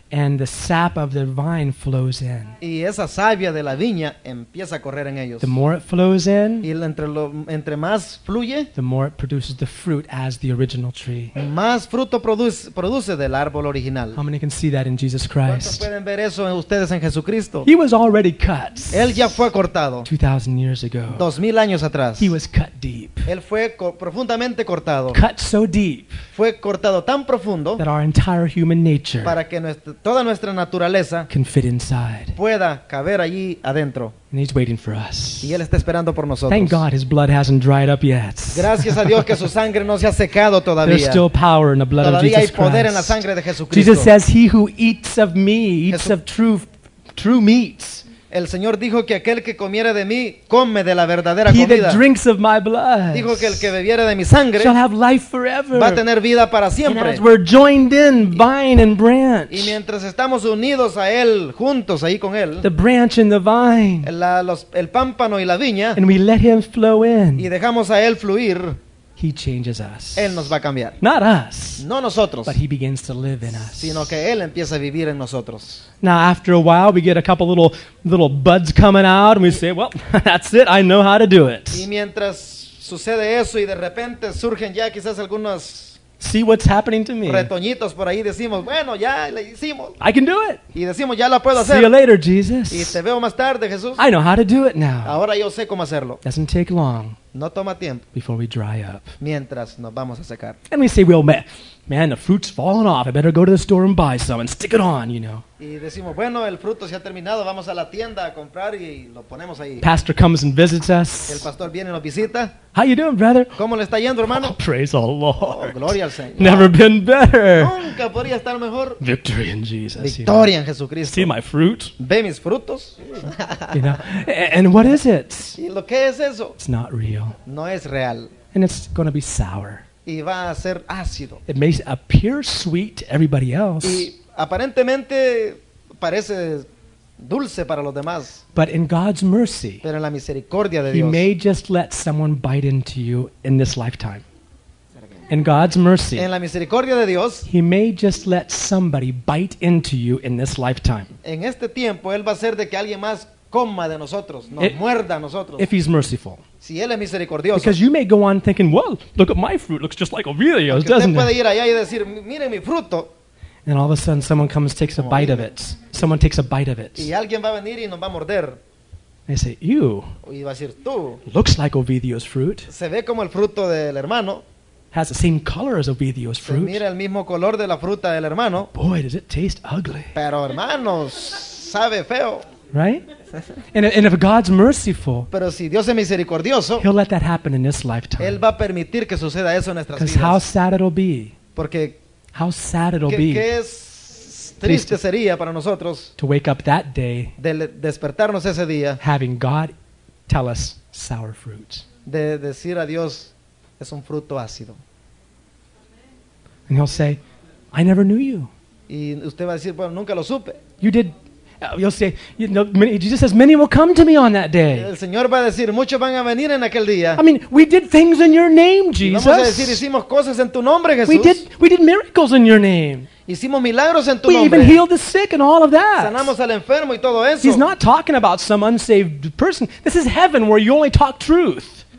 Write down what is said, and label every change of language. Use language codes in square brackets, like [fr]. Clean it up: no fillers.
[en] And the sap of the vine flows in. [es] Y esa savia de la viña empieza a correr en ellos. [en] The more it flows in, [es] y entre más fluye, [en] the more it produces the fruit as the original tree. [es] Más fruto produce del árbol original. [en] How many can see that in Jesus Christ? [es] ¿Cuántos pueden ver eso en ustedes en Jesucristo? [en] He was already cut. [es] Él ya fue cortado. [en] 2,000 years ago. [es] 2,000 años atrás. [en] He was cut deep. [es] Él fue profundamente cortado. [en] Cut so deep. [es] Fue cortado tan profundo. [en] That our entire human nature [es] para que toda nuestra naturaleza [en] can fit inside. [es] Pueda caber allí adentro. [en] And he's waiting for us. [es] Y él está esperando por nosotros. [en] Thank God his blood hasn't dried up yet. [es] Gracias a Dios que su sangre no se ha secado todavía. [en] There's still power in the blood [es] todavía [en] of Jesus [es] hay poder [en] Christ. [es] En la sangre de Jesucristo. [en] Jesus says, he who eats of me eats of true meat. [es] El Señor dijo que aquel que comiere de mí come de la verdadera [en] he [es] comida. [en] He that drinks of my blood [es] dijo que el que bebiere de mi sangre [en] shall have life forever. [es] Va a tener vida para siempre. [en] And as we're joined in vine and branch. [es] Y mientras estamos unidos a él, juntos ahí con él. [en] The branch and the vine. [es] El pámpano y la viña. [en] And we let him flow in. [es] Y dejamos a él fluir. [en] He changes us. [es] Él nos va a cambiar. [en] Not us. [es] No nosotros. [en] But he begins to live in us. [es] Sino que él empieza a vivir en nosotros. [en] Now after a while we get a couple little buds coming out and we say, well, that's it. I know how to do it. [es] Y mientras sucede eso y de repente surgen ya quizás algunos [en] see what's happening to me. [es] Retoñitos por ahí decimos, bueno, ya le hicimos. [en] I can do it. [es] Y decimos, ya la puedo hacer. [en] See you later, Jesus. [es] Y te veo más tarde, Jesús. [en] I know how to do it now. [es] Ahora yo sé cómo hacerlo. [en] Doesn't take long. [es] No toma tiempo. [en] Before we dry up. [es] Mientras nos vamos a secar. [en] And we say, well, man, the fruit's falling off. I better go to the store and buy some and stick it on, you know. [es] Y decimos, bueno, el fruto se ha terminado. Vamos a la tienda a comprar y lo ponemos ahí. [en] Pastor comes and visits us. [es] El pastor viene y nos visita. [en] How you doing, brother? [es] ¿Cómo le está yendo, hermano? [en] Oh, praise the Lord. [es] Oh, gloria al Señor. [en] Never been better. [es] Nunca podría estar mejor. [en] Victory in Jesus. [es] Victoria, [en] you know, [es] en Jesucristo. [en] See my fruit. [es] Ve mis frutos. [en] You know, and what is it? [es] ¿Y lo que es eso? [en] It's not real. [es] No es real. [en] And it's going to be sour. [es] Y va a ser ácido. [en] It may appear sweet to everybody else. [es] Y aparentemente parece dulce para los demás. [en] But in God's mercy, [es] pero en la misericordia de [en] He [es] Dios, [en] may just let someone bite into you in this lifetime. In God's mercy, [es] en la misericordia de Dios, [en] He may just let somebody bite into you in this lifetime. [es] En este tiempo, Él va a hacer de que alguien más coma de nosotros, nos muerda a nosotros. [en] If He's merciful. [es] Si Él es misericordioso. [en] Because you may go on thinking, well, look at my fruit, looks just like Aurelio's, doesn't [es] usted puede [en] it? [es] Ir allá y decir, miren mi fruto. [en] And all of a sudden someone comes takes a bite of it. Someone takes a bite of it. [es] Y alguien va a venir y nos va a morder. [en] They say, ew. [es] Y va a decir, tú. [en] Looks like Ovidio's fruit. [es] Se ve como el fruto del hermano. [en] Has the same color as Ovidio's fruit. [es] Se mira el mismo color de la fruta del hermano. [en] Boy, does it taste ugly. [es] Pero hermanos, sabe feo. [en] Right? And if God's merciful, [es] pero si Dios es misericordioso, [en] He'll let that happen in this lifetime. [es] Él va a permitir que suceda eso en nuestras vidas. [en] Because how sad it'll be. [es] Porque [en] how sad it'll be. [es] Qué triste sería para nosotros [en] to wake up that day [es] de despertarnos ese día [en] having God tell us sour fruit. [es] De decir a Dios es un fruto ácido. [en] And He'll say, I never knew you. [es] Y usted va a decir, bueno, nunca lo supe. [en] You did. You'll say, you know, many, Jesus says, many will come to me on that day. [es] El Señor va a decir, muchos van a venir en aquel día. [en] I mean, we did things in your name, Jesus. [es] Y vamos a decir, hicimos cosas en tu nombre, Jesús. [en] We did miracles in your name. [es] Hicimos milagros en tu [en] we [es] nombre. [en] Even healed the sick and all of that. [es] Sanamos al enfermo y todo eso. [en] He's not talking about some unsaved person. This is heaven where you only talk truth.